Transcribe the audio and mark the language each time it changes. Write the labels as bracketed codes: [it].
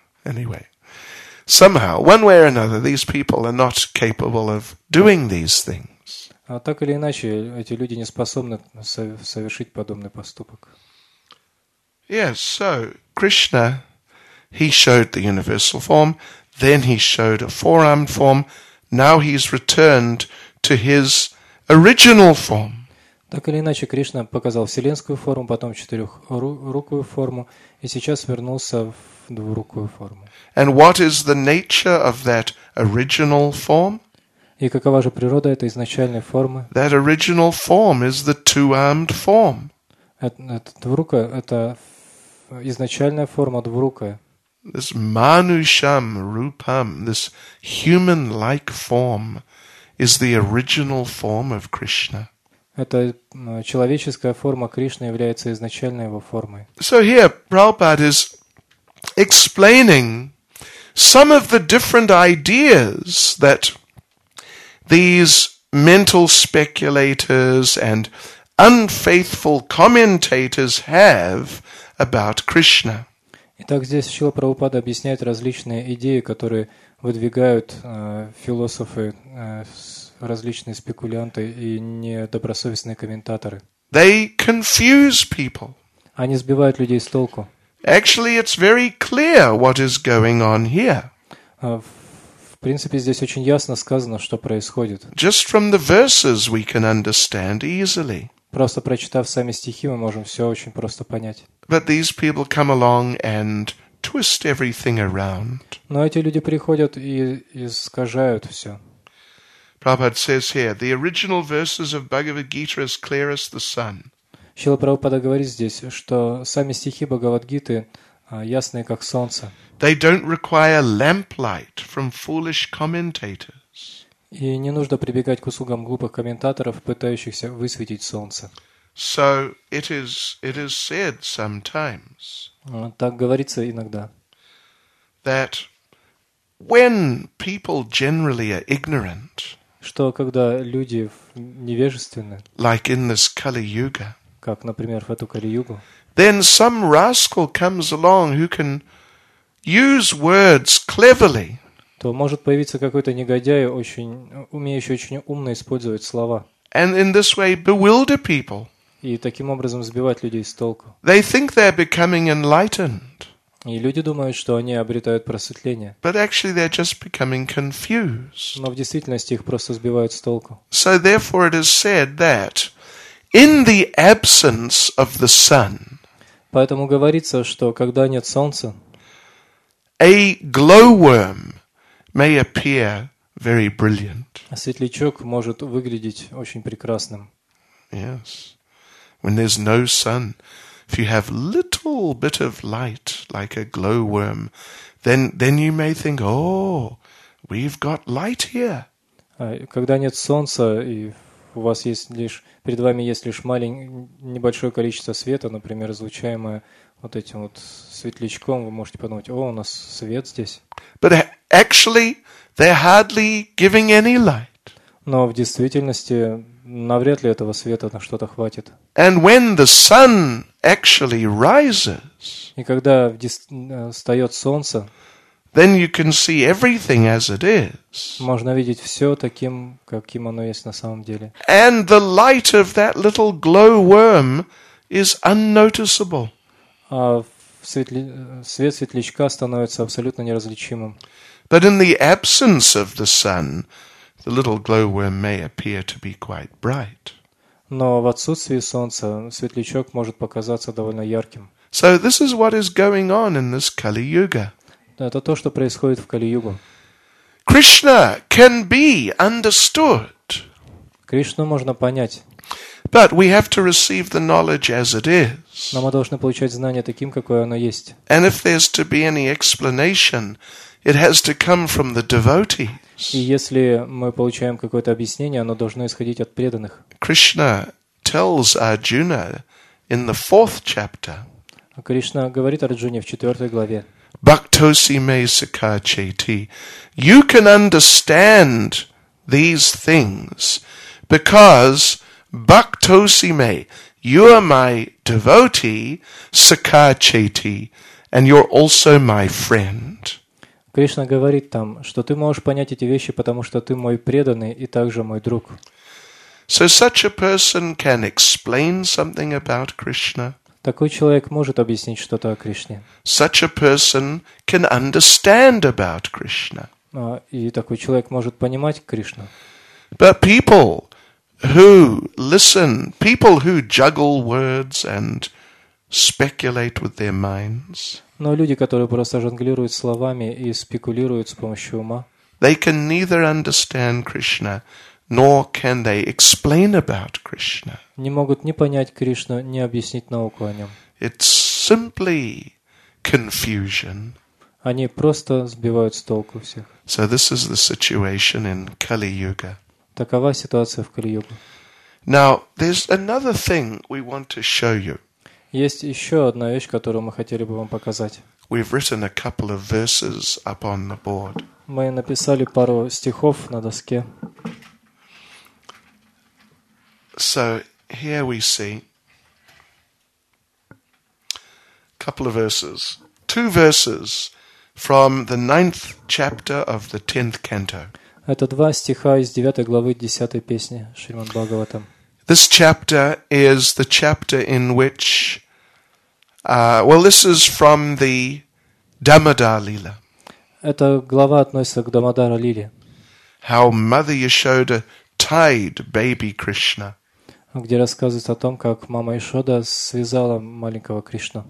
[en] Anyway, somehow, one way or another, these people are not capable of doing these things. [ru] А так или иначе, эти люди не способны совершить подобный поступок. [en] Yes, so Krishna, he showed the universal form, then he showed a four-armed form, now he's returned to his original form. [ru] Так или иначе, Кришна показал вселенскую форму, потом четырехрукую форму, и сейчас вернулся в двурукую форму. [en] And what is the nature of that original form? [ru] И какова же природа этой изначальной формы? [en] That original form is the two-armed form. [ru] Это двурука, это изначальная форма двурукая. [en] This [sa] manusham rupam, [en] this human-like form, is the original form of Krishna. [ru] Эта человеческая форма Кришны является изначальной его формой. [en] So here Prabhupada is explaining some of the different ideas that these mental speculators and unfaithful commentators have about Krishna. [ru] Итак, здесь Шрила Прабхупада объясняет различные идеи, которые выдвигают философы, различные спекулянты и недобросовестные комментаторы. [en] They confuse people. [ru] Они сбивают людей с толку. [en] Actually, it's very clear what is going on here. [ru] В принципе, здесь очень ясно сказано, что происходит. [en] Just from the verses we can understand easily. [ru] Просто прочитав сами стихи, мы можем все очень просто понять. [en] But these people come along and twist everything around. [ru] Но эти люди приходят и искажают все. [en] Prabhupada says here, the original verses of Bhagavad Gita are as clear as the sun. [ru] Шрила Прабхупада говорит здесь, что сами стихи Бхагавадгиты ясные как солнце. [en] They don't require lamplight from foolish commentators. [ru] И не нужно прибегать к услугам глупых комментаторов, пытающихся высветить солнце. [en] So it is said sometimes. [ru] Так говорится иногда. [en] That when people generally are ignorant. [ru] Что когда люди невежественны. [en] Like in this Kali Yuga. [ru] Как, например, в эту Кали-Югу. [en] Then some rascal comes along who can use words cleverly. [ru] То может появиться какой-то негодяй, умеющий очень умно использовать слова. [en] And in this way bewilder people. [ru] И таким образом сбивать людей с толку. [en] They think they're becoming enlightened. [ru] И люди думают, что они обретают просветление. [en] But actually they're just becoming confused. [ru] Но в действительности их просто сбивают с толку. [en] So therefore it is said that in the absence of the sun. [ru] Поэтому говорится, что когда нет солнца, [en] a glowworm may appear very brilliant. [ru] Светлячок может выглядеть очень прекрасным. [en] Yes. When there's no sun, if you have little bit of light like a glowworm, then you may think, oh, we've got light here. [ru] Когда нет солнца и у вас есть лишь перед вами есть лишь маленькое небольшое количество света, например, излучаемое вот этим вот светлячком, вы можете подумать, о, у нас свет здесь. [en] But actually, they're hardly giving any light. [ru] Но в действительности навряд ли этого света на что-то хватит. [en] And when the sun actually rises, [ru] и когда встает солнце, [en] then you can see everything as it is. [ru] Можно видеть все таким, каким оно есть на самом деле. [en] And the light of that little glowworm is unnoticeable. [ru] А свет светлячка становится абсолютно неразличимым. [en] But in the absence of the sun, the little glowworm may appear to be quite bright. [ru] Но в отсутствии солнца светлячок может показаться довольно ярким. [en] So this is what is going on in this Kali Yuga. [ru] Это то, что происходит в Кали-Югу. [en] Krishna can be understood. [ru] Кришну можно понять. [en] But we have to receive the knowledge as it is. [ru] Но мы должны получать знание таким, какое оно есть. [en] And if there's to be any explanation, it has to come from the devotees. [ru] И если мы получаем какое-то объяснение, оно должно исходить от преданных. [en] Krishna tells Arjuna in the fourth chapter. [ru] Кришна говорит Арджуне в четвертой главе. [sa] Bhaktosi me sakacheti. [en] You can understand these things because [sa] Bhaktosi me, [en] you are my devotee, [sa] sakacheti, [en] and you're also my friend. [ru] Кришна говорит там, что ты можешь понять эти вещи, потому что ты мой преданный и также мой друг. [en] So such a person can explain something about Krishna. [ru] Такой человек может объяснить что-то о Кришне. [en] Such a person can understand about Krishna. [ru] И такой человек может понимать Кришну. [en] But people who listen, people who juggle words and speculate with their minds. [ru] Но люди, которые просто жонглируют словами и спекулируют с помощью ума. [en] They can neither understand Krishna, nor can they explain about Krishna. [ru] Не могут ни понять Кришну, ни объяснить науку о нем. [en] It's simply confusion. [ru] Они просто сбивают с толку всех. [en] So this is the situation in Kali-Yuga. [ru] Такова ситуация в Кали-Юге. [en] Now, there's another thing we want to show you. [ru] Есть еще одна вещь, которую мы хотели бы вам показать. [en] We've written a couple of verses up on the board. [ru] Мы написали пару стихов на доске. [en] So here we see a couple of verses. Two verses from the ninth chapter of the tenth canto. [ru] Это два стиха из девятой главы десятой песни Шримад-Бхагаватам. [en] This chapter is the chapter in which this is from the Damodara-lila. [ru] Эта глава относится к Дамодара-лиле. [en] How Mother Yashoda tied baby Krishna. [ru] Где рассказывается о том, как мама Ишода связала маленького Кришну.